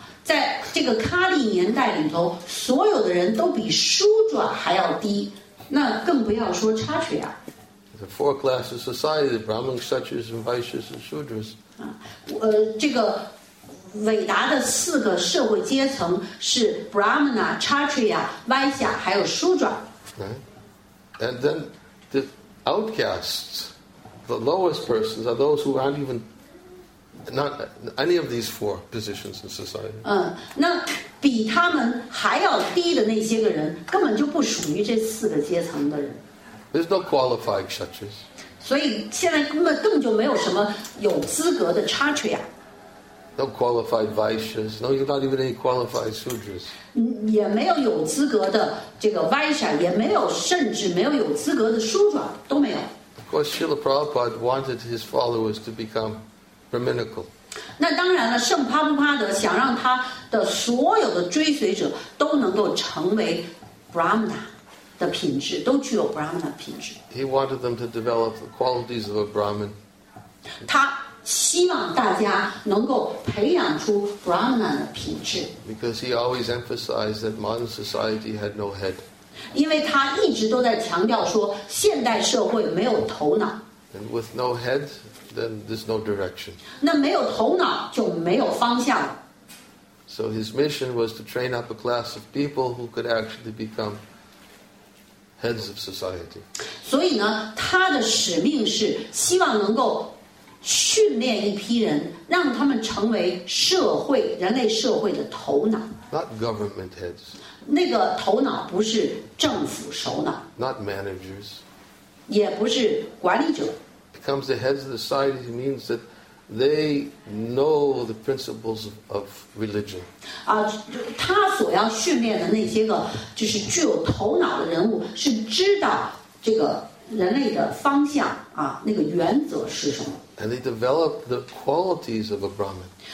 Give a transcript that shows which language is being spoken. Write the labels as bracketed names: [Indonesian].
[Chinese] 在这个喀利年代里头，所有的人都比书转还要低，那更不要说差距啊。 [English] The four classes of society: Brahmin, Kshatriyas, Vaishyas, and Shudras. [Chinese] 这个伟大的四个社会阶层是 Brahmin 啊、Kshatriya、Vaishya 还有书转。 [English] Right. And then the outcasts, the lowest persons, are those who aren't even. Not any of these four positions in society. [Chinese] 那比他们还要低的那些个人，根本就不属于这四个阶层的人。 [English] There's no qualified kshatriyas. [Chinese] 所以现在根本更就没有什么有资格的kshatriya。 [English] No qualified vaishyas. No, you're not even any qualified sudras. [Chinese] 也没有有资格的这个 vaishya， 也没有甚至没有有资格的书转都没有。 [English] Of course, Srila Prabhupada wanted his followers to become. Brahminical. [Chinese] 那当然了，圣帕布帕德想让他的所有的追随者都能够成为 Brahmana 的品质，都具有 Brahmana 的品质。 [English] He wanted them to develop the qualities of a Brahmin. [Chinese] 他希望大家能够培养出 Brahmana 的品质。 [English] Because he always emphasized that modern society had no head. [Chinese] 因为他一直都在强调说，现代社会没有头脑。 [English] And with no head. Then there's no direction. [Chinese] 那没有头脑就没有方向。 [English] So his mission was to train up a class of people who could actually become heads of society. [Chinese] 所以呢，他的使命是希望能够训练一批人，让他们成为社会人类社会的头脑。 [English] Not government heads. [Chinese] 那个头脑不是政府首脑。 [English] Not managers. [Chinese] 也不是管理者。 [English] Becomes the heads of the society means that they know the principles of religion. [Chinese] 他所要训练的那些个就是具有头脑的人物，是知道这个人类的方向啊，那个原则是什么。 [English] And they develop the qualities of a Brahmin.